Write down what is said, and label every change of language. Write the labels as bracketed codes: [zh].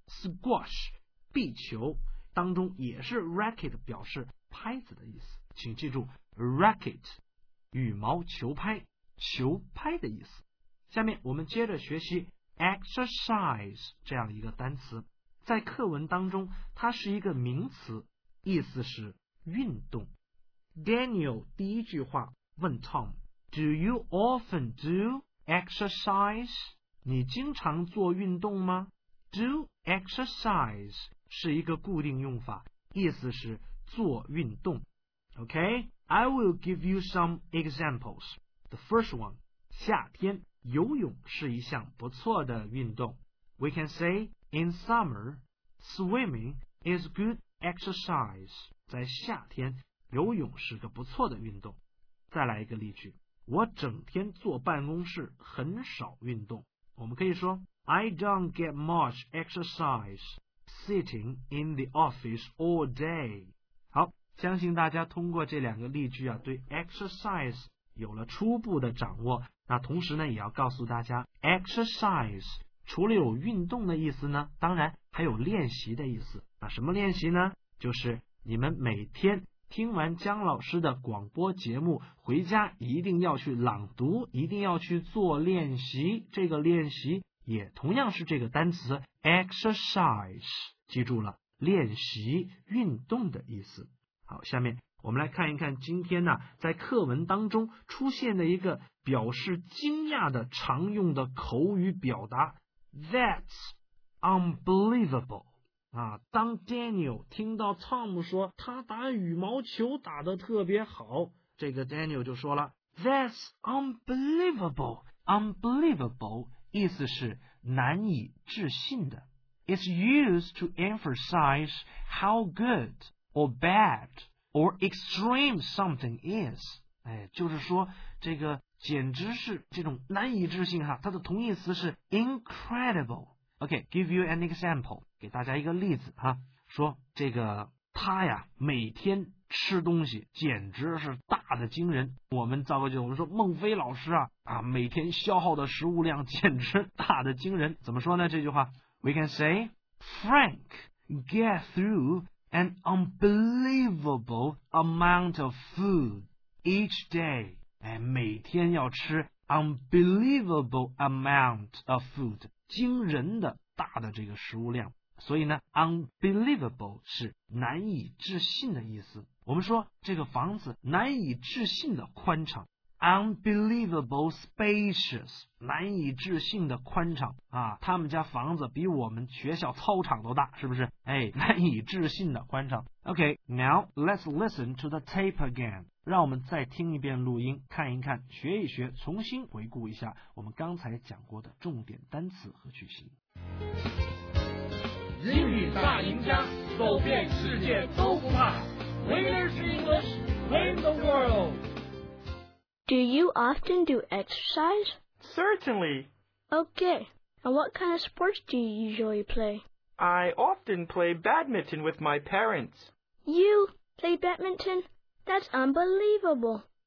[zh] squash 壁球当中也是 racket 表示拍子的意思，请记住 racket 羽毛球拍。球拍的意思。下面我们接着学习 exercise 这样一个单词，在课文当中它是一个名词，意思是运动。 [en] Daniel [zh] 第一句话问 [en] Tom， Do you often do exercise？ [zh] 你经常做运动吗？ Do exercise 是一个固定用法，意思是做运动。 [en] OK， I will give you some examples. The first one， [zh] 夏天游泳是一项不错的运动。 [en] We can say in summer swimming is good exercise， [zh] 在夏天游泳是个不错的运动。再来一个例句，我整天坐办公室很少运动。我们可以说 [en] I don't get much exercise sitting in the office all day。 [zh] 好，相信大家通过这两个例句啊，对 exercise 有了初步的掌握。那同时呢，也要告诉大家 exercise 除了有运动的意思呢，当然还有练习的意思。那什么练习呢？就是你们每天听完姜老师的广播节目，回家一定要去朗读，一定要去做练习。这个练习也同样是这个单词 exercise， 记住了，练习运动的意思。好，下面我们来看一看今天呢，在课文当中出现的一个表示惊讶的常用的口语表达 [en] That's unbelievable。 [zh] 啊，当 Daniel 听到 Tom 说他打羽毛球打得特别好，这个 Daniel 就说了 [en] That's unbelievable. [zh] Unbelievable 意思是难以置信的。 [en] It's used to emphasize how good or bad or extreme something is. [zh] 哎，就是说这个简直是这种难以置信哈，它的同义词是 incredible。 [en] OK, give you an example, [zh] 给大家一个例子哈，说这个他呀每天吃东西简直是大的惊人。我们造个句，我们说孟非老师啊每天消耗的食物量简直大的惊人。怎么说呢这句话？ [en] We can say, Frank get through an unbelievable amount of food each day. [zh] 哎，每天要吃 [en] unbelievable amount of food。 [zh] 惊人的大的这个食物量，所以呢 unbelievable 是难以置信的意思。我们说这个房子难以置信的宽敞， [en] unbelievable spacious， [zh] 难以置信的宽敞啊，他们家房子比我们学校操场都大，是不是？哎，难以置信的宽敞。 [en] OK, now let's listen to the tape again， [zh] 让我们再听一遍录音，看一看，学一学，重新回顾一下我们刚才讲过的重点单词和句型。英语大赢家，走遍世界都不怕。 [en] Winners English, win the world. Do you often do exercise? Certainly. Okay, and what kind of sports do you usually play? I often play badminton with my parents. You play badminton? That's unbelievable.